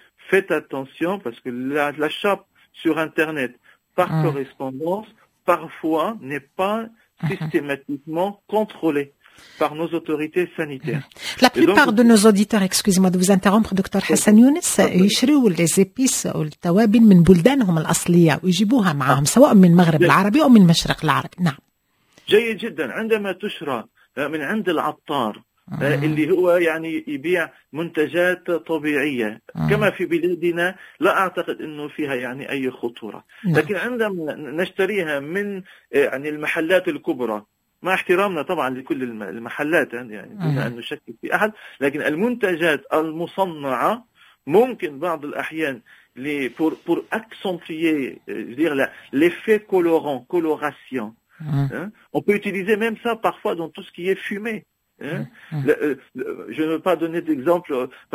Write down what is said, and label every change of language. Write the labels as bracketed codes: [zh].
[fr] Faites attention, parce que l'achat sur Internet par correspondance, parfois, n'est pas systématiquement contrôlé par nos autorités sanitaires. La plupart de nos auditeurs, excusez-moi de vous interrompre, [ar] Dr Hassan Younes, يشريوا [fr] les épices ou les [ar] توابل من بلدانهم الأصلية ويجيبوها معهم سواء من المغرب العربي أو من المشرق العربي. نعم. جيد جدا. عندما تشرى من عند العطار اللي هو يعني يبيع منتجات طبيعية كما في بلادنا لا أعتقد إنه فيها يعني أي خطورة. لكن عندما نشتريها من يعني المحلات الكبرى مع احترامنا طبعا لكل المحلات يعني دون أن نشكك في أحد، لكن المنتجات المصنعة ممكن بعض الأحيان [fr] pour accentuer l'effet colorant, coloration. On peut utiliser même ça parfois dans tout ce qui est fumé. Je ne veux pas donner d'exemple.